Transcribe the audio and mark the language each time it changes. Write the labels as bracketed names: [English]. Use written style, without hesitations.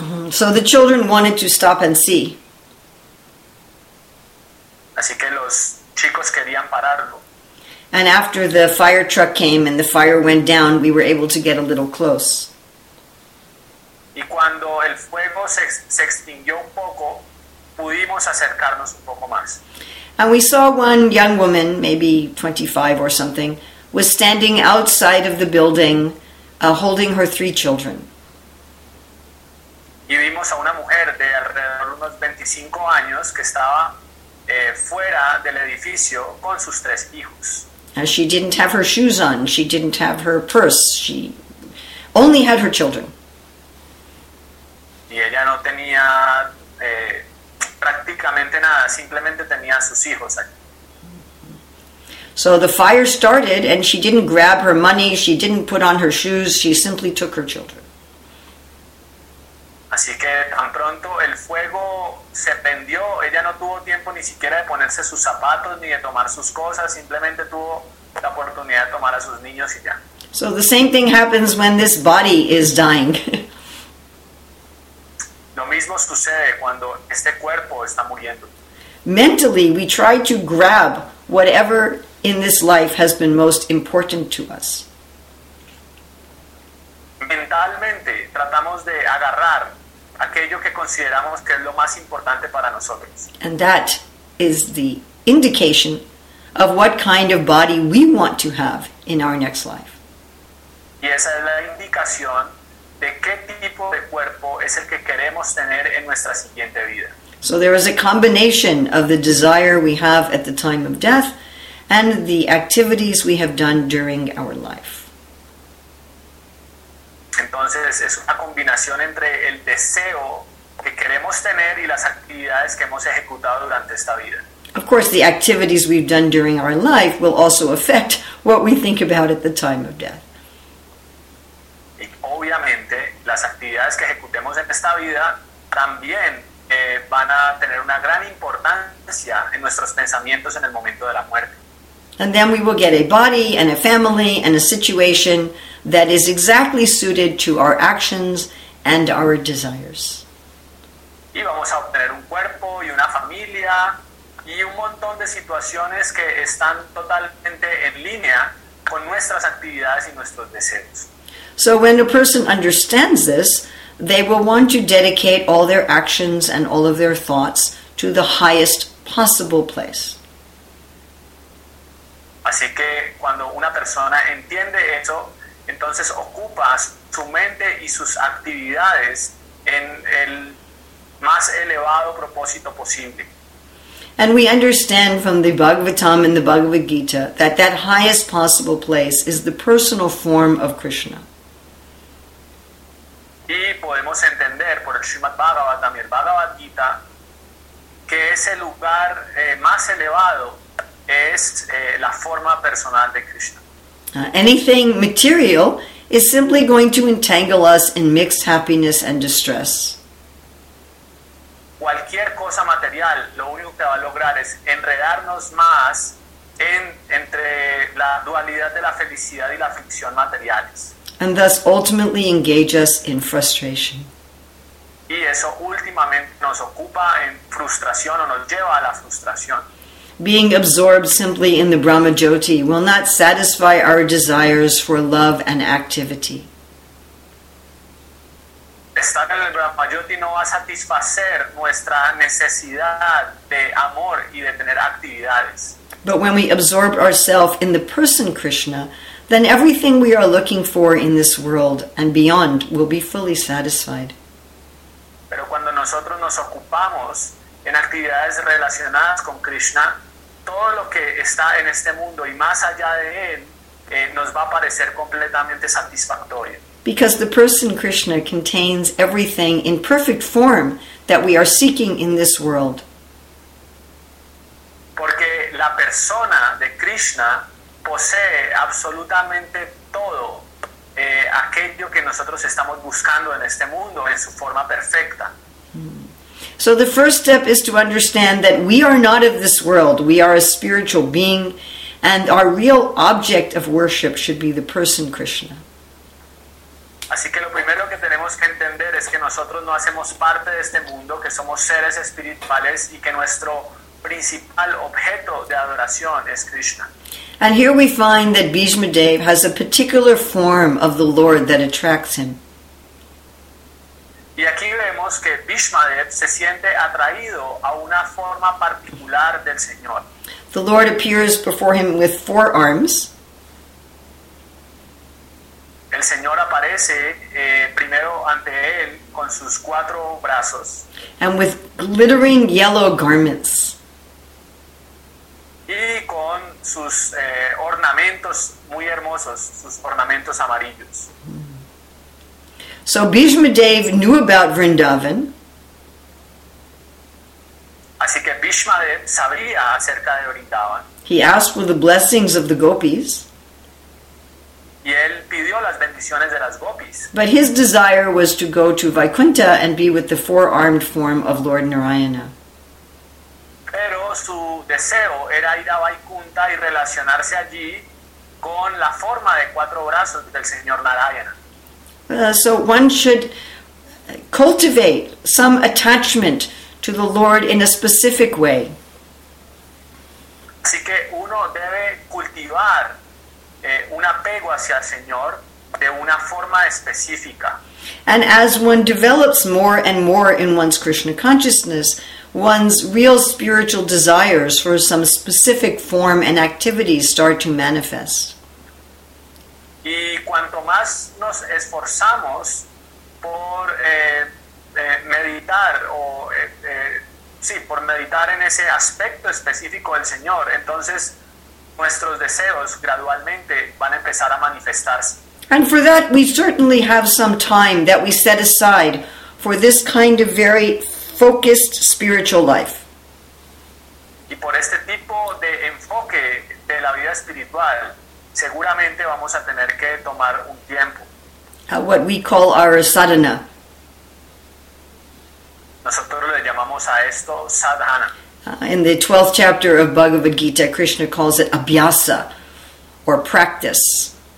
[English] So the children wanted to stop and see. [Spanish] Así que los chicos querían pararlo. [English] And after the fire truck came and the fire went down, we were able to get a little close. [Spanish] Y cuando el fuego se extinguió un poco, pudimos acercarnos un poco más. [English] And we saw one young woman, maybe 25 or something, was standing outside of the building, holding her 3 children. [Spanish] Y vimos a una mujer de alrededor de unos 25 años que estaba fuera del edificio con sus 3 hijos. [English] And she didn't have her shoes on, she didn't have her purse, she only had her children. [Spanish] Y ella no tenía prácticamente nada, simplemente tenía sus hijos allí. [English] So the fire started and she didn't grab her money, she didn't put on her shoes, she simply took her children. [Spanish] Así que tan pronto el fuego se prendió, ella no tuvo tiempo ni siquiera de ponerse sus zapatos ni de tomar sus cosas, simplemente tuvo la oportunidad de tomar a sus niños y ya. [English] So the same thing happens when this body is dying. [Spanish] Lo mismo sucede cuando este cuerpo está muriendo. [English] Mentally, we try to grab whatever in this life has been most important to us. [Spanish] Mentalmente tratamos de agarrar aquello que consideramos que es lo más importante para nosotros. [English] And that is the indication of what kind of body we want to have in our next life. [Spanish] Y esa es la indicación de qué tipo de cuerpo es el que queremos tener en nuestra siguiente vida. [English] So there is a combination of the desire we have at the time of death and the activities we have done during our life. [Spanish] Entonces es una combinación entre el deseo que queremos tener y las actividades que hemos ejecutado durante esta vida. [English] Of course, the activities we've done during our life will also affect what we think about at the time of death. [Spanish] Y obviamente, las actividades que ejecutemos en esta vida también van a tener una gran importancia en nuestros pensamientos en el momento de la muerte. [English] And then we will get a body and a family and a situation that is exactly suited to our actions and our desires. [Spanish] Y vamos a obtener un cuerpo y una familia y un montón de situaciones que están totalmente en línea con nuestras actividades y nuestros deseos. [English] So when a person understands this, they will want to dedicate all their actions and all of their thoughts to the highest possible place. [Spanish] Así que cuando una persona entiende eso, entonces ocupa su mente y sus actividades en el más elevado propósito posible. [English] And we understand from the Bhagavatam and the Bhagavad Gita that that highest possible place is the personal form of Krishna. [Spanish] Y podemos entender por el Srimad Bhagavatam y el Bhagavad Gita que ese lugar más elevado es la forma personal de Krishna. [English] Anything material is simply going to entangle us in mixed happiness and distress. [Spanish] Cualquier cosa material, lo único que va a lograr es enredarnos más entre la dualidad de la felicidad y la aflicción materiales. [English] And thus ultimately engage us in frustration. [Spanish] Y eso últimamente nos ocupa en frustración o nos lleva a la frustración. [English] Being absorbed simply in the Brahma Jyoti will not satisfy our desires for love and activity. [Spanish] Estar en el Brahma Jyoti no va a satisfacer nuestra necesidad de amor y de tener actividades. [English] But when we absorb ourselves in the person Krishna, then everything we are looking for in this world and beyond will be fully satisfied. [Spanish] Pero cuando nosotros nos ocupamos en actividades relacionadas con Krishna, todo lo que está en este mundo y más allá de él, nos va a parecer completamente satisfactorio. [English] Because the person Krishna contains everything in perfect form that we are seeking in this world. [Spanish] Porque la persona de Krishna posee absolutamente todo aquello que nosotros estamos buscando en este mundo en su forma perfecta. [English] So the first step is to understand that we are not of this world. We are a spiritual being, and our real object of worship should be the person Krishna. [Spanish] Así que lo primero que tenemos que entender es que nosotros no hacemos parte de este mundo, que somos seres espirituales y que nuestro principal objeto de adoración es Krishna. [English] And here we find that Bhishma Dev has a particular form of the Lord that attracts him. [Spanish] Y aquí vemos que Bhishma Dev se siente atraído a una forma particular del Señor. [English] The Lord appears before him with four arms. [Spanish] El Señor aparece primero ante él con sus cuatro brazos. [English] And with glittering yellow garments. [Spanish] Y con sus ornamentos muy hermosos, sus ornamentos amarillos. [English] So Bhishma Dev knew about Vrindavan. [Spanish] Así que Bhishma Dev sabía acerca de Vrindavan. [English] He asked for the blessings of the gopis. [Spanish] Y él pidió las bendiciones de las gopis. [English] But his desire was to go to Vaikuntha and be with the four-armed form of Lord Narayana. [Spanish] Pero su deseo era ir a Vaikuntha y relacionarse allí con la forma de cuatro brazos del señor Narayana. [English] So one should cultivate some attachment to the Lord in a specific way. [Spanish] Así que uno debe cultivar un apego hacia el Señor de una forma específica. [English] And as one develops more and more in one's Krishna consciousness, one's real spiritual desires for some specific form and activity start to manifest. [Spanish] Y cuanto más nos esforzamos por meditar o por meditar en ese aspecto específico del Señor, entonces nuestros deseos gradualmente van a empezar a manifestarse. [English] And for that we certainly have some time that we set aside for this kind of very focused spiritual life. [Spanish] Y por este tipo de enfoque de la vida espiritual seguramente vamos a tener que tomar un tiempo. [English] What we call our sadhana. [Spanish] Nosotros le llamamos a esto sadhana. [English] In the 12th chapter of Bhagavad Gita, Krishna calls it abhyasa, or practice.